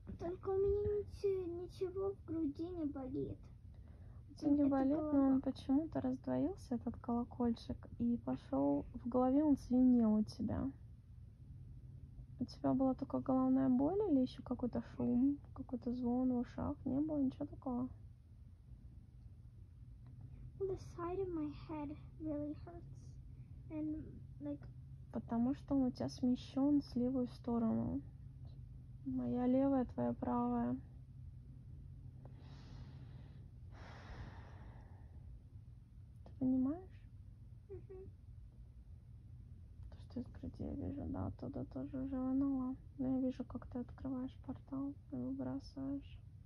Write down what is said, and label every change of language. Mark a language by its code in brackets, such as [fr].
[ru] Только у меня ничего в груди не болит. Но он почему-то раздвоился, этот колокольчик, и пошел. В голове он звенел у тебя. У тебя была только головная боль или еще какой-то шум, какой-то звон в ушах? Не было ничего такого? [en] The side of my head really hurts, and like. [ru] Потому что он у тебя смещен с левую сторону. Моя левая, твоя правая. Ты понимаешь? Mm-hmm. То, что из груди я вижу, да, оттуда тоже уже вынула. Но я вижу, как ты открываешь портал и выбрасываешь.